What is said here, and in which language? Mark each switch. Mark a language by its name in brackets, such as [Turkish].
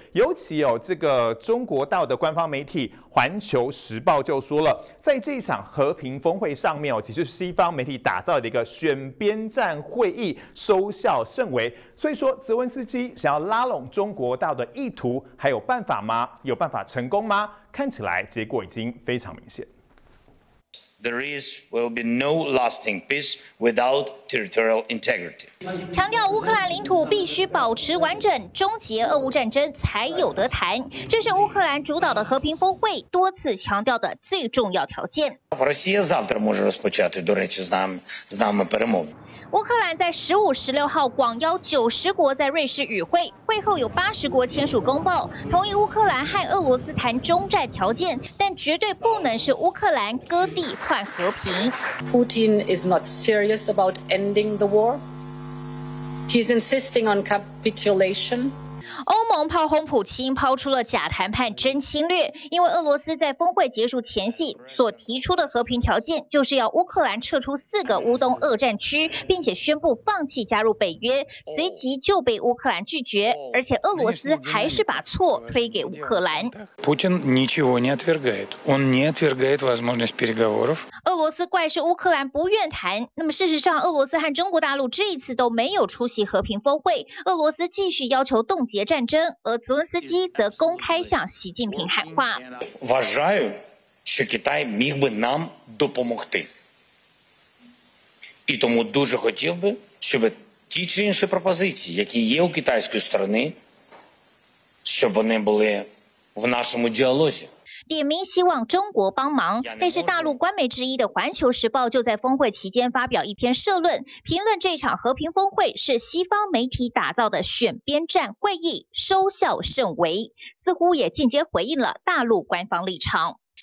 [Chinese] 尤其有这个中国大陆的官方媒体环球时报就说了，在这一场和平峰会上面哦，其实西方媒体打造的一个选边站会议收效甚微。所以说泽文斯基想要拉拢中国大陆的意图还有办法吗？有办法成功吗？看起来结果已经非常明显。 [English] There is will be no lasting peace without territorial integrity. [Chinese] 强调乌克兰领土必须保持完整，终结俄乌战争才有得谈。这是乌克兰主导的和平峰会多次强调的最重要条件。 [Ukrainian] Росія завтра може розпочати, до речі, з нами перемови。 [Chinese] 乌克兰在15、16号广邀90国在瑞士与会，会后有80国签署公报，同意乌克兰和俄罗斯谈中债条件，但绝对不能是乌克兰割地换和平。 [English] Putin is not serious about ending the war. He's insisting on capitulation. [Chinese] 欧盟炮轰普京抛出了假谈判真侵略，因为俄罗斯在峰会结束前夕所提出的和平条件就是要乌克兰撤出4个乌东俄战区，并且宣布放弃加入北约，随即就被乌克兰拒绝，而且俄罗斯还是把错推给乌克兰。 [Russian] Путин ничего не отвергает, он не отвергает возможность переговоров. [Chinese] 俄罗斯怪是乌克兰不愿谈，那么事实上俄罗斯和中国大陆这一次都没有出席和平峰会，俄罗斯继续要求冻结战争，而泽连斯基则公开向习近平喊话。 [Ukrainian] Вважаю, що Китай міг би нам допомогти, і тому дуже хотів би, щоб ті чи інші пропозиції, які є у китайської сторони, щоб вони були в нашому діалозі。 [Chinese] 点名希望中国帮忙，但是大陆官媒之一的《环球时报》就在峰会期间发表一篇社论，评论这场和平峰会是西方媒体打造的选边站会议，收效甚微，似乎也间接回应了大陆官方立场。